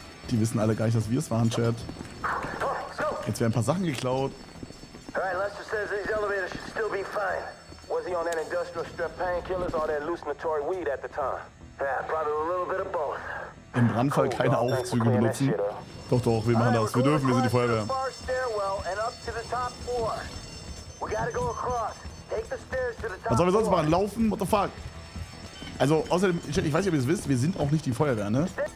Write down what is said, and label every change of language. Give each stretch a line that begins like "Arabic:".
German: Die wissen alle gar nicht, dass wir es waren, Chat. Jetzt werden ein paar Sachen geklaut.
English: Alright, Lester says these elevators should still be fine. Was he on that industrial strip painkillers or that hallucinatory weed at the time? Yeah, probably a little bit of both.
German: Im Brandfall keine Aufzüge benutzen. Doch, doch, wir machen das. Wir dürfen, wir sind die Feuerwehr. Was sollen wir sonst machen? Laufen?
English: What the fuck?
German: Also, außerdem, ich weiß nicht, ob ihr es wisst, wir sind auch nicht die Feuerwehr, ne?